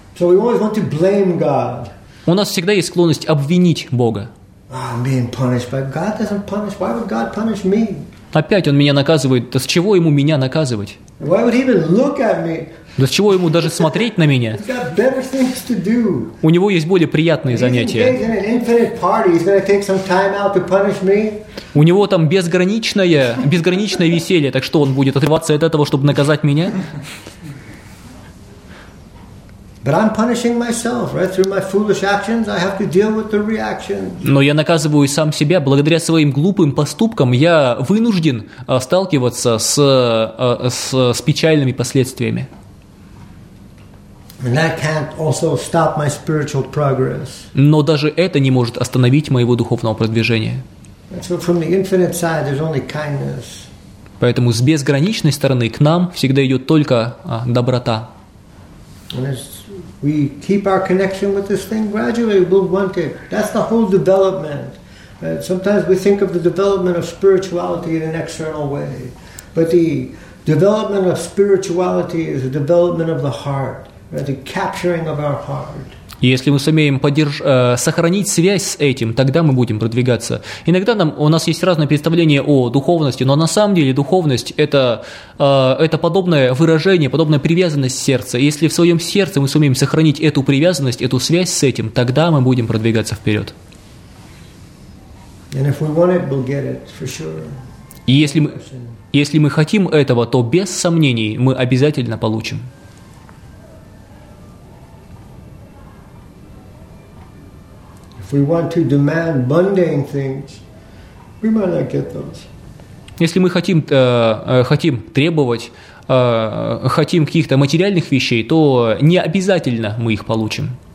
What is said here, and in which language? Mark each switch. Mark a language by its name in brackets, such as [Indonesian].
[English] So we always want to blame God. [Russian] У нас всегда есть склонность обвинить Бога. [English] I'm being punished, but God doesn't punish. Why would God punish me? [Russian] Опять он меня наказывает. Да с чего ему меня наказывать? [English] Why would he even look at me? [Russian] Да с чего ему даже смотреть на меня? [English] He's got better things to do. [Russian] У него есть более приятные занятия. [English] He's engaged in an infinite party. He's going to take some time out to punish me. [Russian] У него там безграничное веселье, так что он будет отрываться от этого, чтобы наказать меня? [English] But I'm punishing myself, right? Through my foolish actions, I have to deal with the reaction. [Russian] Но я наказываю сам себя. Благодаря своим глупым поступкам я вынужден сталкиваться с печальными последствиями. [English] And that can't also stop my spiritual progress. [Russian] Но даже это не может остановить моего духовного продвижения. [English] So from the infinite side, there's only kindness. [Russian] Поэтому с безграничной стороны к нам всегда идет только доброта. [English] We keep our connection with this thing gradually. We'll want it. That's the whole development. Sometimes we think of the development of spirituality in an external way. But the development of spirituality is the development of the heart, right? The capturing of our heart. [Russian] Если мы сумеем сохранить связь с этим, тогда мы будем продвигаться. Иногда у нас есть разные представления о духовности, но на самом деле духовность – это подобное выражение, подобная привязанность сердца. И если в своем сердце мы сумеем сохранить эту привязанность, эту связь с этим, тогда мы будем продвигаться вперед. [English] And if we want it, we'll get it, for sure. [Russian] И если мы хотим этого, то без сомнений мы обязательно получим. [English] If we want to demand mundane things, we might not get those. [Russian] Если мы хотим требовать, хотим каких-то материальных вещей, то не обязательно мы их получим.